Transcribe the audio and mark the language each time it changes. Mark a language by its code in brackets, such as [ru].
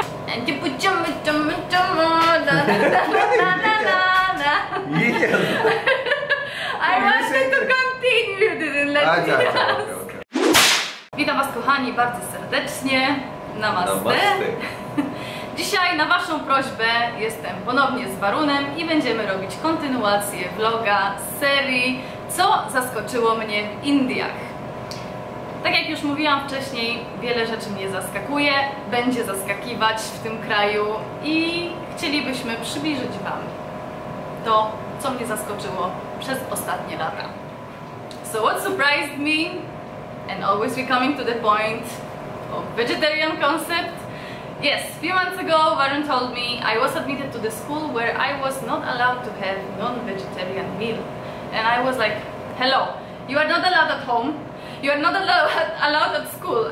[en] And you put jam with jam with jam. Yeah. I wanted to continue, didn't let me. [pl] Witam was kochani bardzo serdecznie. Namaste. Dzisiaj na waszą prośbę jestem ponownie z Warunem i będziemy robić kontynuację vloga z serii Co zaskoczyło mnie w Indiach. Tak jak już mówiłam wcześniej, wiele rzeczy mnie zaskakuje, będzie zaskakiwać w tym kraju i chcielibyśmy przybliżyć wam to, co mnie zaskoczyło przez ostatnie lata. [en] So what surprised me, and always we coming to the point of vegetarian concept. Yes, few months ago, Warren told me I was admitted to the school where I was not allowed to have non-vegetarian meal. And I was like, hello, you are not allowed at home. You are not allowed at school.